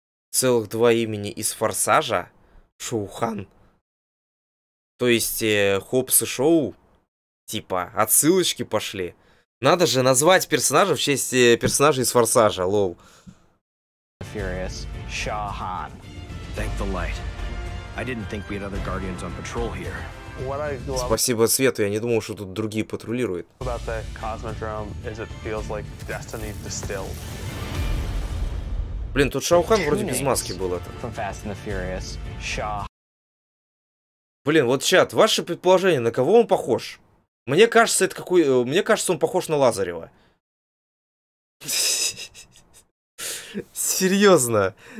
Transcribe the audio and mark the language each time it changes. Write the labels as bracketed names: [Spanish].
[Russian] Целых два имени из Форсажа. Шоухан. То есть Хоббс и Шоу. Типа, отсылочки пошли. Надо же назвать персонажа в честь персонажа из Форсажа. Лол. [English] Furious. Шоухан. Thank the light. I didn't think we had other guardians on patrol here. What I love... [Russian] Спасибо Свету, я не думал, что тут другие патрулируют. [English] About the Cosmodrome is it feels like destiny distilled. [Russian] Блин, тут Шоухан вроде без маски был это. Блин, вот чат, ваше предположение, на кого он похож? Мне кажется, это какой... Мне кажется, он похож на Лазарева. Серьезно.